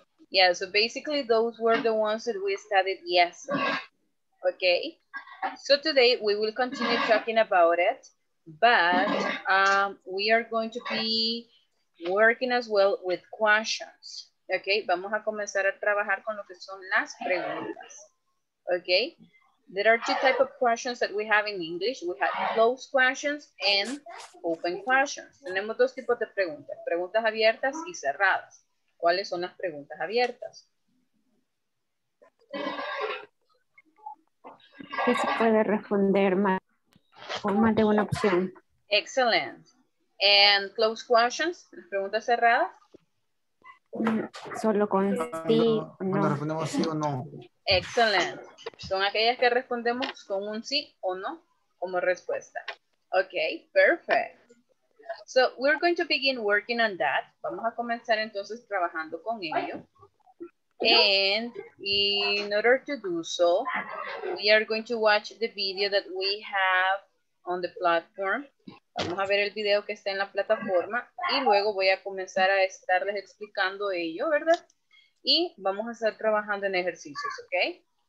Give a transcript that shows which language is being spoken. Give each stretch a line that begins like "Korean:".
English: Yeah, so basically those were the ones that we studied yesterday. Okay. So today we will continue talking about it, but we are going to be working as well with questions.
Spanish: Okay, vamos a comenzar a trabajar con lo que son las preguntas.
English: Okay, there are two types of questions that we have in English. We have closed questions and open questions.
Spanish: Tenemos dos tipos de preguntas, preguntas abiertas y cerradas. ¿Cuáles son las preguntas abiertas? ¿Qué se puede responder más? con más de una opción.
English: Excellent. And close questions,
Spanish: preguntas cerradas. Solo con sí o no. Respondemos sí o no.
English: Excellent.
Spanish: Son aquellas que respondemos con un sí o no como respuesta.
English: Okay, perfect. So we're going to begin working on that.
Spanish: Vamos a comenzar entonces trabajando con ello.
English: And in order to do so, we are going to watch the video that we have on the platform.
Spanish: Vamos a ver el video que está en la plataforma y luego voy a comenzar a estarles explicando ello, ¿verdad? Y vamos a estar trabajando en ejercicios, ¿ok?